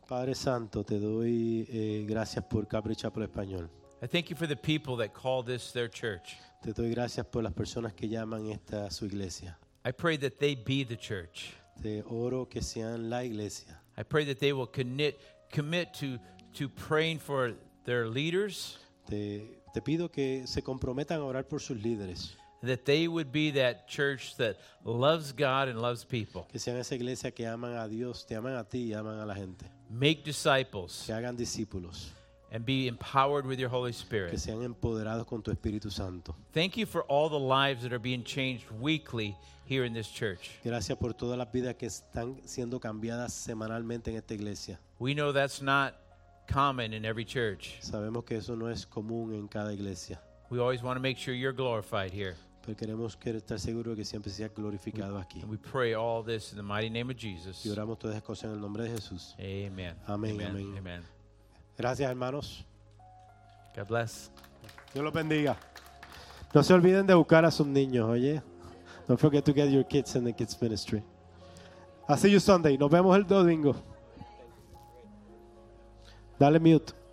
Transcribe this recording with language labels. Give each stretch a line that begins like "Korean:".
Spanish: Padre Santo, te doy gracias por Calvary Chapel Español.
English: I thank you for the people that call this their church.
Spanish: Te doy gracias por las personas que llaman esta su iglesia.
English: I pray that they be the church.
Spanish: Te oro que sean la iglesia.
English: I pray that they will commit to praying for their leaders.
Spanish: Te pido que se comprometan a orar por sus líderes.
English: That they would be that church that loves God and loves people.
Spanish: Que sean esa iglesia que aman a Dios, te aman a ti y aman a la gente.
English: Make disciples.
Spanish: Que hagan discípulos.
English: And be empowered with your Holy Spirit.
Spanish: Que sean empoderados con tu Espíritu Santo.
English: Thank you for all the lives that are being changed weekly here in this church.
Spanish: Gracias por todas las vidas que están siendo cambiadas semanalmente en esta iglesia.
English: We know that's not common in every church.
Spanish: Sabemos que eso no es común en cada iglesia.
English: We always want to make sure you're glorified here.
Spanish: Pero queremos estar seguros de que siempre sea glorificado aquí.
English: And we pray all this in the mighty name of Jesus.
Spanish: Y oramos todas estas cosas en el nombre de Jesús.
English: Amen.
Spanish: Amén. Amén.
English: Amen.
Spanish: Gracias, hermanos.
English: God bless.
Spanish: Dios los bendiga. No se olviden de buscar a sus niños, oye.
English: Don't forget to get your kids in the kids ministry. I'll see you Sunday.
Spanish: Nos vemos el domingo. Dale mute.